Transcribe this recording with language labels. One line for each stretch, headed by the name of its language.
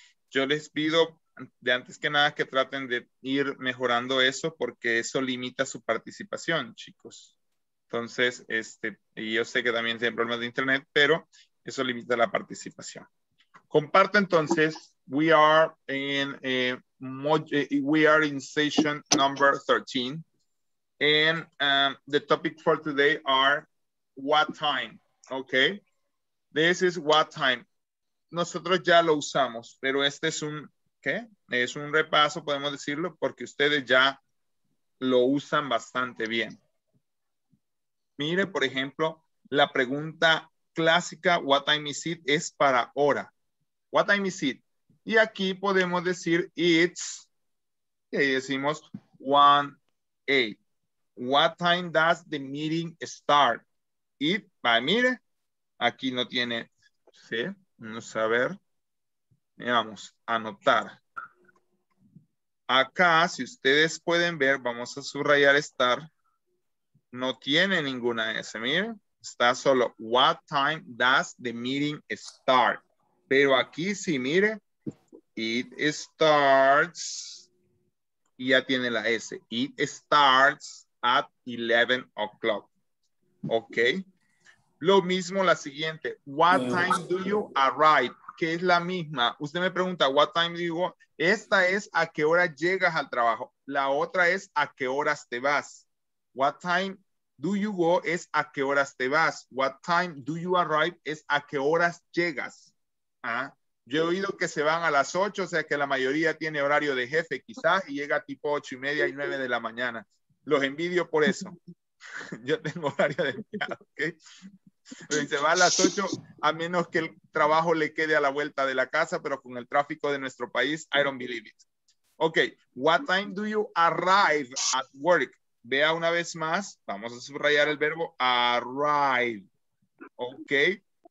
Spanish: Yo les pido, de antes que nada, que traten de ir mejorando eso, porque eso limita su participación, chicos. Entonces, yo sé que también tienen problemas de internet, pero eso limita la participación. Comparto entonces,
English: we are in session number 13, and the topic for today are what time, okay? This is what time.
Spanish: Nosotros ya lo usamos, pero este es un, ¿qué? Es un repaso, podemos decirlo, porque ustedes ya lo usan bastante bien. Mire, por ejemplo, la pregunta clásica,
English: what time is it,
Spanish: es para hora.
English: What time is it?
Spanish: Y aquí podemos decir, it's, y ahí decimos, 1:08.
English: What time does the meeting start?
Spanish: It, ah, mire, aquí no tiene, sí, vamos a ver, vamos a anotar. Acá, si ustedes pueden ver, vamos a subrayar star, no tiene ninguna S, miren. Está solo,
English: what time does the meeting start?
Spanish: Pero aquí sí, mire, it starts, y ya tiene la S.
English: It starts at 11 o'clock. Ok.
Spanish: Lo mismo, la siguiente.
English: What time do you arrive?
Spanish: Que es la misma. Usted me pregunta,
English: what time do you go?
Spanish: Esta es, ¿a qué hora llegas al trabajo? La otra es, ¿a qué horas te vas?
English: What time do you go?
Spanish: Es, ¿a qué horas te vas?
English: What time do you arrive?
Spanish: Es, ¿a qué horas llegas? ¿Ah? Yo he oído que se van a las 8, o sea que la mayoría tiene horario de jefe, quizás, y llega tipo 8:30 y 9 de la mañana. Los envidio por eso. Yo tengo horario de empleado, ¿ok? Pero se va a las 8, a menos que el trabajo le quede a la vuelta de la casa, pero con el tráfico de nuestro país,
English: I don't believe it. Ok, what time do you arrive at work?
Spanish: Vea una vez más, vamos a subrayar el verbo arrive, ok.